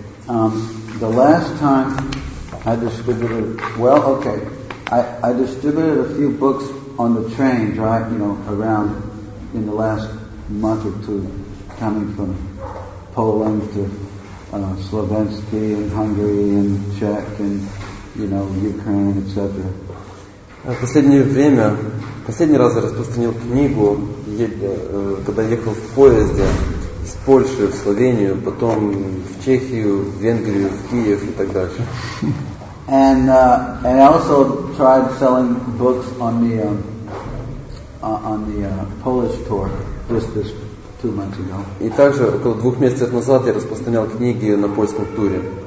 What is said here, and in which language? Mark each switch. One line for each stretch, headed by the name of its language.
English: The last time I distributed, I distributed a few books on the train, right? You know, around in the last month or two, coming from Poland to Slovensky and Hungary and Czech and, you know, Ukraine, etc.
Russian: Последнее время, последний раз я распространил книгу, когда ехал в поезде с Польши в Словению, потом в Чехию, в Венгрию, в Киев и так дальше.
English: And I also tried selling books on the Polish tour just this 2 months ago.
Russian: И также около двух месяцев назад я распространял книги на польском туре.